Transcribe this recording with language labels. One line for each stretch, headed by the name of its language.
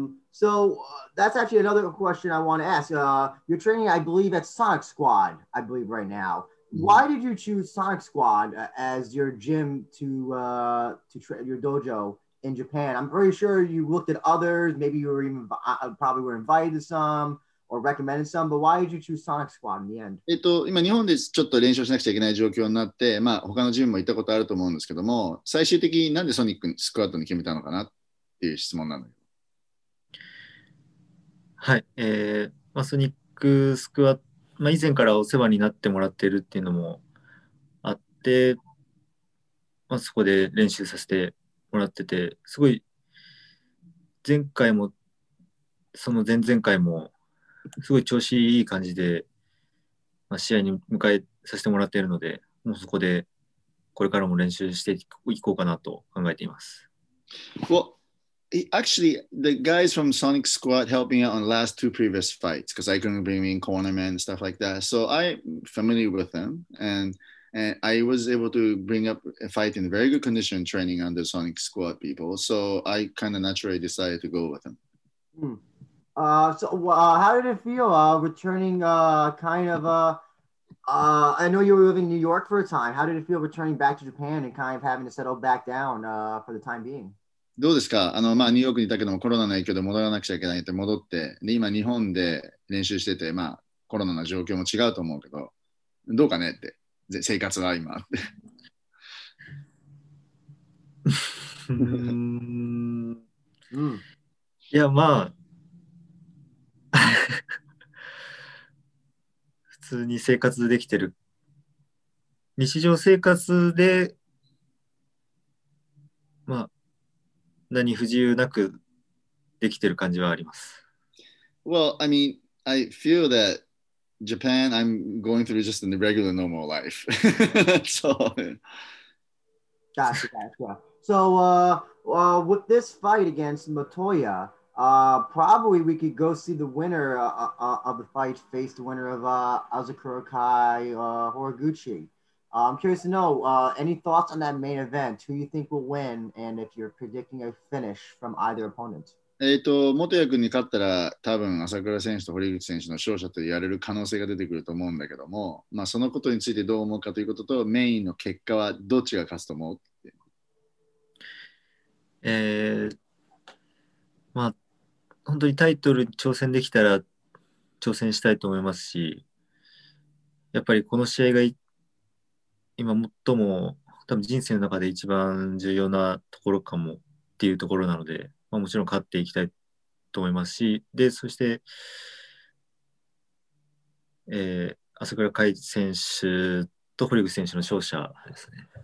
English: So that's actually another question I want to ask. You're training, I believe, at Sonic Squad, I believe, right now. Why did you choose Sonic Squad as your gym to your dojo in Japan? I'm pretty sure you looked at others. Maybe you were even probably were invited to some or recommended some. But why did you choose Sonic Squad in the end?
Japanese: 今日本でちょっと練習しなくちゃいけない状況になって、まあ他のジムも行ったことあると思うんですけども、最終的になんでソニックスクワッドに決めたのかなっていう質問なのよ。はい、まあソニックスクワッド。まあ、以前からお世話になってもらっているっていうのもあって、まあ、そこで練習させてもらってて、すごい前回もその前々回もすごい調子いい感じで、まあ、試合に迎えさせてもらっているので、もうそこでこれからも練習していこうかなと考えています。
English: Well,Actually, the guys from Sonic Squad helped me out on the last two previous fights because I couldn't bring in corner men and stuff like that. So I'm familiar with them and I was able to bring up a fight in very good condition training under Sonic Squad people. So I kind of naturally decided to go with them. How did it feel returning, I know you were living in New York for a time. How did it feel returning back to Japan and kind of having to settle back down for the time being?
Japanese: どうですか? まあ、ニューヨークにいたけどもコロナの影響で戻らなくちゃいけないって戻って、で、今日本で練習してて、まあ、コロナの状況も違うと思うけど、どうかねって、生活は今って。いや、まあ、普通に生活できてる。日常生活で、まあ、何不自由なくできてる感じはあります。
English: Well, I mean, I feel that Japan, I'm going through just a regular normal life. So, gotcha. So, with this fight against Motoya, probably we could go see the winner of the fight face the winner of Azakura Kai Horiguchi. I'm curious to know, any thoughts on that main event? Who you think will win? And if you're predicting a finish from either opponent?
Japanese: 元谷君に勝ったら、多分朝倉選手と堀口選手の勝者と言われる可能性が出てくると思うんだけども、まあ、そのことについてどう思うかということと、メインの結果はどっちが勝つと思うって、まあ、本当にタイトルに挑戦できたら挑戦したいと思いますし、やっぱりこの試合が今最も多分人生の中で一番重要なところかもっていうところなので、まあ、もちろん勝っていきたいと思いますし、で、そして、朝倉海選手と堀口選手の勝者ですね。